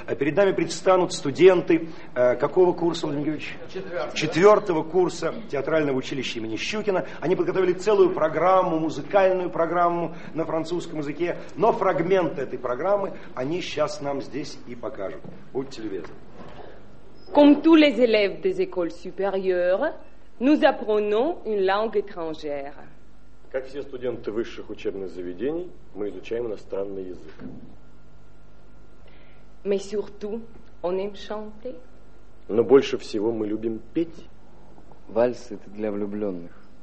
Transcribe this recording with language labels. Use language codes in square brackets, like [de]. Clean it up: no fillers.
[ru] Перед нами предстанут студенты какого курса, Владимир Георгиевич? Четвертого курса театрального училища имени Щукина. Они подготовили целую программу, музыкальную программу на французском языке, но фрагменты этой программы они сейчас нам здесь и покажут. Будьте любезны. [fr] Comme tous les élèves des écoles supérieures, nous apprenons une langue étrangère. [ru] Как все студенты высших учебных заведений, мы изучаем иностранный язык. [fr] Mais surtout, on aime chanter. [ru] Но больше всего мы любим петь. Вальс – это для влюбленных.